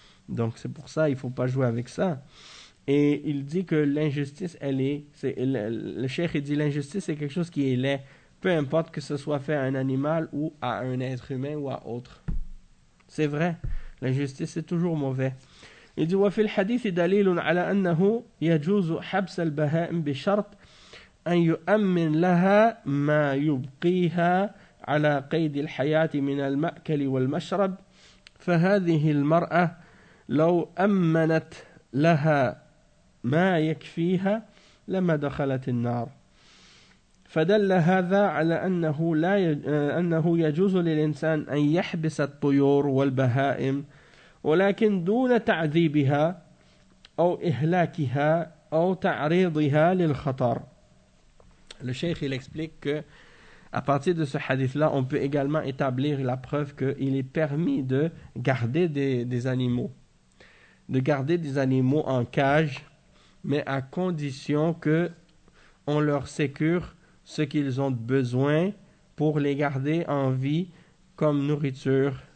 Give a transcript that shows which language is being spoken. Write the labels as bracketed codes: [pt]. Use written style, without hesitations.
[fr] Donc c'est pour ça il faut pas jouer avec ça. Et il dit que l'injustice, le cheikh dit l'injustice c'est quelque chose qui est laid, peu importe que ce soit fait à un animal ou à un être humain ou à autre. C'est vrai, l'injustice c'est toujours mauvais. Il dit, [ar] وفي الحديث دليل على أنه يجوز حبس البهائم بشرط أن يؤمن لها ما يبقيها على قيد الحياة من المأكل والمشرب فهذه المرأة لو أمنت لها ما يكفيها لما دخلت النار فدل هذا على أنه يجوز للإنسان أن يحبس الطيور والبهائم ولكن دون تعذيبها أو إهلاكها أو تعريضها للخطر. [fr] Le cheikh il explique que à partir de ce hadith là, on peut également établir la preuve que il est permis de garder des animaux, de garder des animaux en cage, mais à condition que on leur sécure ce qu'ils ont besoin pour les garder en vie comme nourriture.